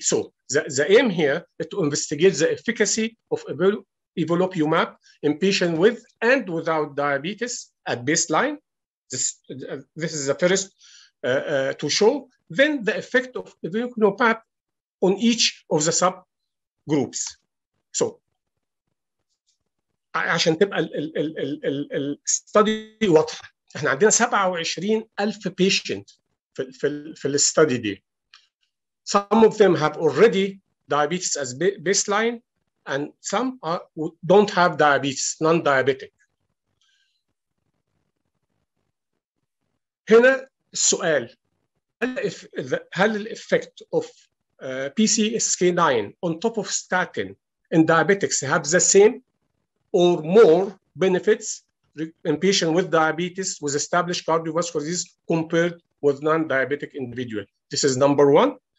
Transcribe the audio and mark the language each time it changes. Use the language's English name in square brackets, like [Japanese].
[English] So the aim here is to investigate the efficacy of Olequmab in patients with and without diabetes at baseline. This is the first to show then the effect of evinacumab on each of the subgroups. So [Arabic] عشان تبقى ال study واضحة، احنا عندنا 27,000 patient في ال study دي. [English] Some of them have already diabetes as baseline and some don't have diabetes, non-diabetic. [Arabic] هنا السؤال، [English] هل ال effect of PCSK9 on top of statin in diabetics have the same or more benefits in patients with diabetes with established cardiovascular disease compared with non-diabetic individual? This is number one.